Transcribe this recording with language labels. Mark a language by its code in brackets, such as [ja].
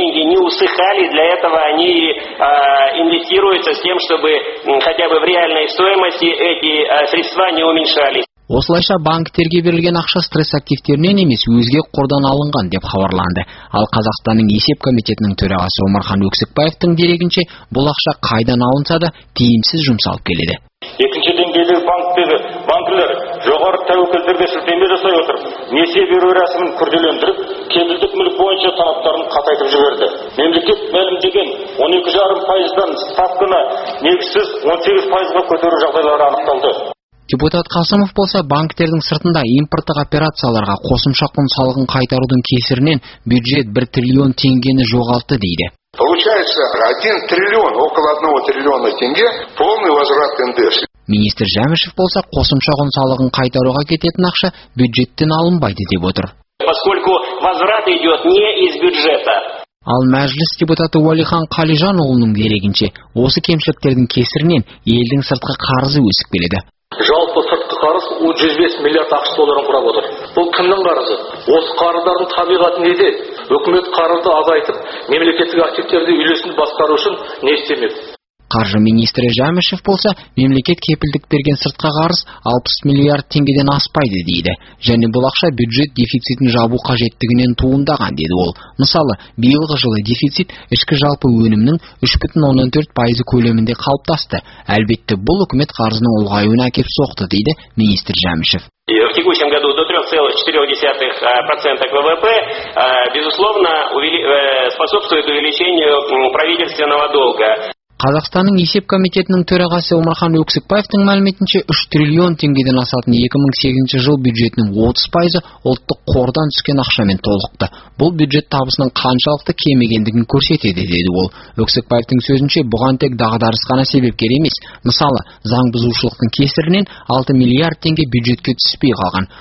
[ru] Не усыхали, для этого они инвестируются с тем, чтобы хотя бы в реальной стоимости эти средства не уменьшались. [kk] Осылайша банктерге берілген ақша стресс активтерінен емес, өзге қордан алынған, деп хабарланды. Ал Қазақстанның есеп комитетінің төрағасы Омархан Өксікбаевтың дерегінше, бұл ақша қайдан алынса да тиімсіз жұмсалып келеді. Екінші деңгейлі банкілер жоғары тәуекелдерге сілтеме жасай отыр, несие беру рәсімін күрделендіріп, кепілдік мүлік бойынша талаптарын қатайтып жіберді. Мемлекет мәлімдеген 12.5%-дан ставканы негізсіз 18%-ға көтеру жағдайлары анықталды. Депутат Қасымов болса, банктердің сыртында импорттық операцияларға қосымша құн салығын қайтарудың кесірінен бюджет 1 триллион теңгені жоғалтты, дейді. [ru] Получается, 1 триллион, около 1 триллиона теңге полный возврат НДС. [kk] Министр Жәмішев болса, қосымша құн салығын қайтаруға кететін ақша бюджеттен алынбайды, деп отыр. [ru] Поскольку возврат идет не из бюджета. [kk] Ал мәжіліс депутаты Уәлихан Қалижанұлының дерегінше, осы кемшіліктердің кесірінен елдің сыртқы қарызы өсіп келеді. Жалпы сыртқы қарыз 105 миллиард ақш долларын құрап отыр. Бұл кімнің қарызы? Осы қарыздардың табиғаты неде? Үкімет қарызды азайтып, мемлекеттік активтерді үйлесімді басқару үшін не істемек? Қаржы министрі Жәмішев болса, мемлекет кепілдік берген сыртқы қарыз 60 миллиард теңгеден аспайды, дейді. Және бұл ақша бюджет дефицитін жабу қажеттігінен туындаған, деді ол. Мысалы, биылғы жылы дефицит ішкі жалпы өнімнің 3.14% көлемінде қалыптасты. Әлбетте, бұл үкімет қарызының ұлғаюына әкеп соқты, дейді министр Жәмішев. [ru] В текущем году до 3.4% ВВП, безусловно, способствует увеличению правительственного долга. [kk] Қазақстанның есеп комитетінің төрағасы Омархан Өксікбаевтың мәліметінше 3 триллион теңгеден асатын 2008 жыл бюджетінің 30% ұлттық қордан түскен ақшамен толықты. Бұл бюджет табысының қаншалықты кемегендігін көрсетеді, деді ол. Өксікбаевтың сөзінше, бұған тек дағдарысқана себепкер емес. Мысалы, заң бұзушылықтың кесірінен 6 миллиард теңге бюджетке түспей қалған.